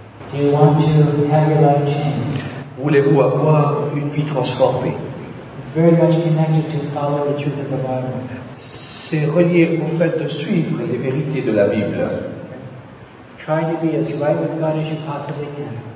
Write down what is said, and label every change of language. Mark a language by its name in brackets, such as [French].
[English] Do you want to have your life changed? [French] Voulez-vous avoir une vie transformée? [English] It's very much connected to follow the truth of the Bible. [French] C'est relié au fait de suivre les vérités de la Bible. [English] Try to be as right with God as you possibly can.